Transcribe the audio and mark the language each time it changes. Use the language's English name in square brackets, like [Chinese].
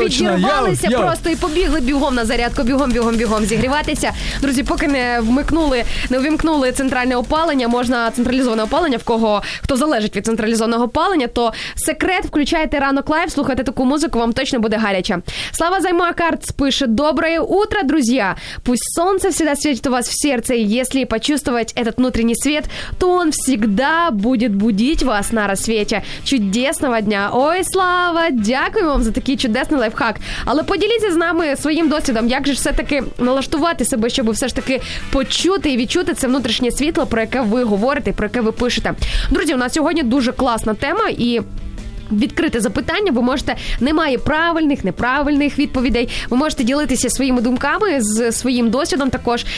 [Ukrainian] Таки підірвалися просто і побігли бігом на зарядку, бігом зігріватися. Друзі, поки не увімкнули центральне опалення, можна централізоване опалення, в кого, хто залежить від централізованого опалення, то секрет, включайте Ранок Лайв, слухайте таку музику, вам точно буде гаряче. Слава Займакарт пише: [Russian] «Доброе утро, друзья! Пусть солнце всегда светит у вас в сердце, и если почувствовать этот внутренний свет, то он всегда будет будить вас на рассвете. [Ukrainian] Чудесного дня! Ой, Слава, дякую вам за такий чудесний лайфхак. Але поділіться з нами своїм досвідом, як же ж все-таки налаштувати себе, щоб все ж таки почути і відчути це внутрішнє світло, про яке ви говорите, про яке ви пишете. Друзі, у нас сьогодні дуже класна тема і відкрите запитання, ви можете, немає правильних, неправильних відповідей, ви можете ділитися своїми думками, з своїм досвідом також.